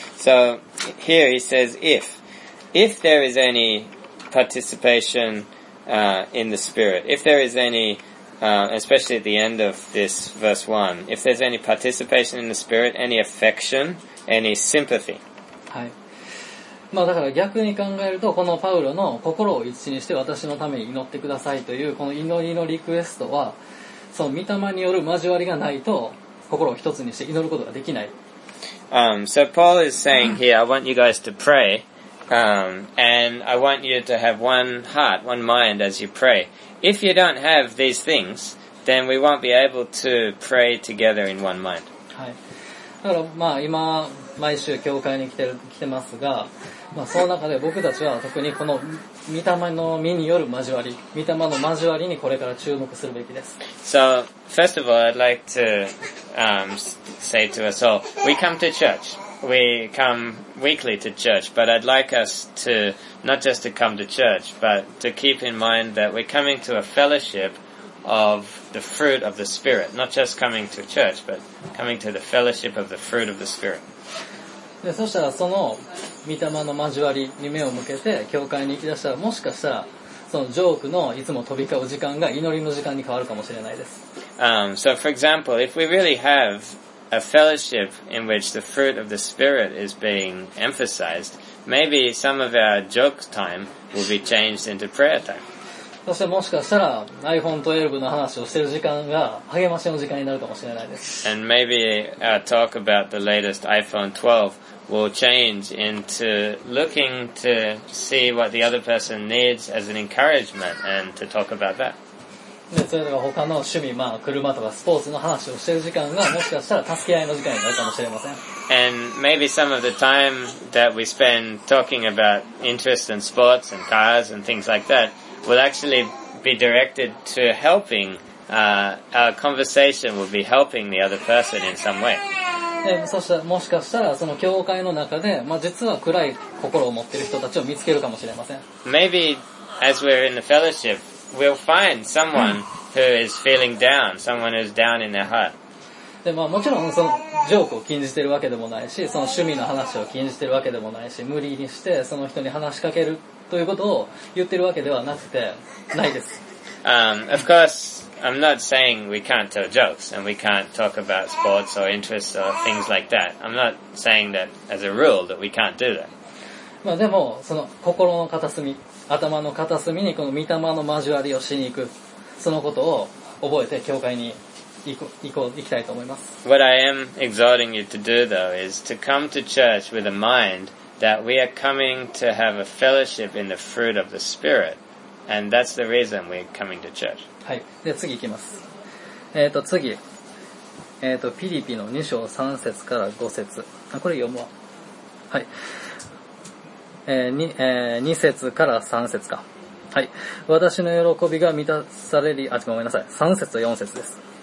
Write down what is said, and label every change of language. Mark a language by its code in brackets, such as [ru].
[en] So, here he says, if there is any participation, in the Spirit, if there is anyespecially at the end of this verse 1, if there's any participation in the Spirit, any affection, any sympathy. [ja] はい。まあだから逆に考えると、このパウロの心を一致にして私のために祈ってくださいという、この祈りのリクエストは、その御霊による交わりがないと、心を一つにして祈ることができない。 [en] So Paul is saying here, I want you guys to pray, and I want you to have one heart, one mind as you pray. If you don't have these things, then we won't be able to pray together in one mind. [ja] はい。だから、まあ、今、毎週教会に来てますが、まあ、その中で僕たちは特にこの御霊の実による交わり、御霊の交わりにこれから注目するべきです。 [en] So, first of all, I'd like to, say to us all, we come to church. We come weekly to church, but I'd like us to... not just to come to church, but to keep in mind that we're coming to a fellowship of the fruit of the Spirit. Not just coming to church, but coming to the fellowship of the fruit of the Spirit. [ja] で、そしたらその御霊の交わりに目を向けて教会に行き出したら、もしかしたらそのジョークのいつも飛び交う時間が祈りの時間に変わるかもしれないです。 [en] So for example, if we really have a fellowship in which the fruit of the Spirit is being emphasized,Maybe some of our joke time will be changed into prayer time. [ja] そしてもしかしたら iPhone 12の話をしている時間が励ましの時間になるかもしれないです。 [en] And maybe our talk about the latest iPhone 12 will change into looking to see what the other person needs as an encouragement and to talk about that. [ja] で、それとか他の趣味、まあ車とかスポーツの話をしている時間がもしかしたら助け合いの時間になるかもしれません。 [en] And maybe some of the time that we spend talking about interest in sports and cars and things like that will actually be directed to helping, our conversation will be helping the other person in some way. [ja] そしてもしかしたらその教会の中で、まあ、実は暗い心を持っている人たちを見つけるかもしれません。 [en] Maybe as we're in the fellowship, we'll find someone who is feeling down, someone who's down in their heart. [ja] でまあ、もちろんそのジョークを禁じてるわけでもないし、その趣味の話を禁じてるわけでもないし、無理にしてその人に話しかけるということを言ってるわけではなくて、ないです。 [en] Of course, I'm not saying we can't tell jokes and we can't talk about sports or interests or things like that. I'm not saying that as a rule that we can't do that. [ja] まあでも、その心の片隅、頭の片隅にこの御霊の交わりをしに行く、そのことを覚えて教会に行きたいと思います。 [en] What I am exhorting you to do though is to come to church with a mind that we are coming to have a fellowship in the fruit of the Spirit, and that's the reason we're coming to church. [ja] はい、で次行きます。次、フィリピの2章3節から5節、あ、これ読むわ。はい、2節から3節か。はい、私の喜びが満たされり、あ、ごめんなさい、3節と4節です。